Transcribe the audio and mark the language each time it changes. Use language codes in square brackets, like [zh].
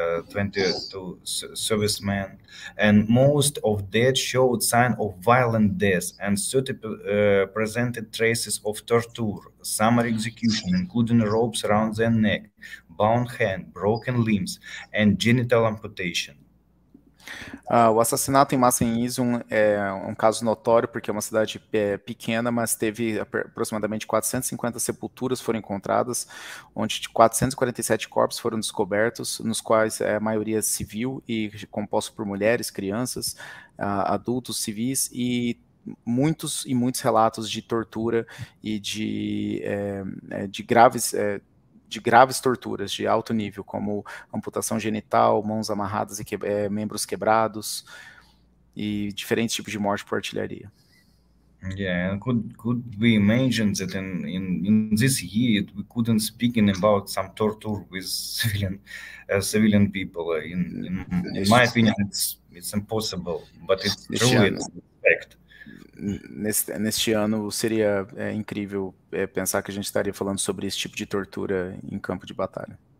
[en] 22 servicemen, and most of dead showed signs of violent death, and 30 presented traces of torture, summary execution, including ropes around their neck, bound hand, broken limbs, and genital amputation. [pt] O assassinato em massa em Izum é um caso notório porque é uma cidade pequena, mas teve aproximadamente 450 sepulturas foram encontradas, onde 447 corpos foram descobertos, nos quais a maioria é civil e composto por mulheres, crianças, adultos, civis, e muitos relatos de tortura e de graves torturas de alto nível, como amputação genital, mãos amarradas e membros quebrados, e diferentes tipos de morte por artilharia. [en] Yeah, could we imagine that in this year we couldn't speak about some torture with civilian people? In my opinion, it's impossible, but it's true, it's a fact. [pt] Neste ano seria incrível pensar que a gente estaria falando sobre esse tipo de tortura em campo de batalha.